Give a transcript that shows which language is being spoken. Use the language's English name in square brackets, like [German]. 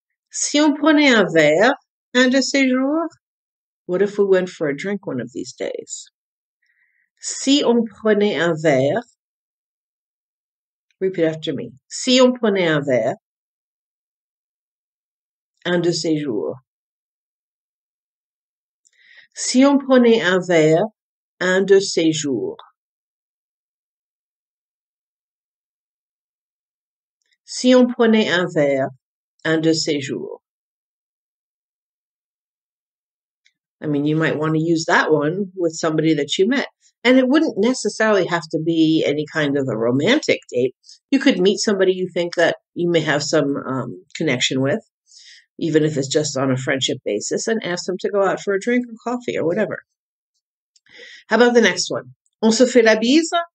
[French] Si on prenait un verre un de ces jours? [English] What if we went for a drink one of these days? [French] Si on prenait un verre. [English] Repeat after me. [French] Si on prenait un verre un de ces jours. Si on prenait un verre un de ces jours. Si on prenait un verre un de ces jours. [English] I mean, you might want to use that one with somebody that you met. And it wouldn't necessarily have to be any kind of a romantic date. You could meet somebody you think that you may have some connection with, even if it's just on a friendship basis, and ask them to go out for a drink or coffee or whatever. How about the next one? [French] On se fait la bise?